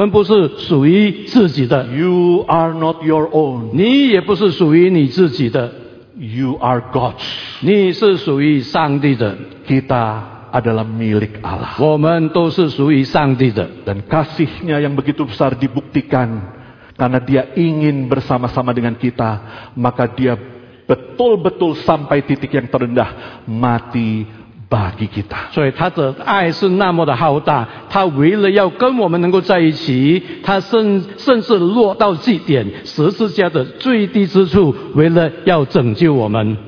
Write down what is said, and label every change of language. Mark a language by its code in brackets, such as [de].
[zh] 除非我们已经明确地了解我们不是属于自己的。 [en] You are not your own. [zh] 你也不是属于你自己的。 [en] You are God's. [zh] 你是属于上帝的。 [id] Kita adalah milik Allah. [zh] 我们都是属于上帝的。 [id] Dan kasihnya yang begitu besar dibuktikan karena dia ingin bersama-sama dengan kita, maka dia betul-betul sampai titik yang terendah, mati bagi kita. [zh] 所以他的爱是那么的浩大，他为了要跟我们能够在一起，他甚至落到极点，十字架的最低之处，为了要拯救我们。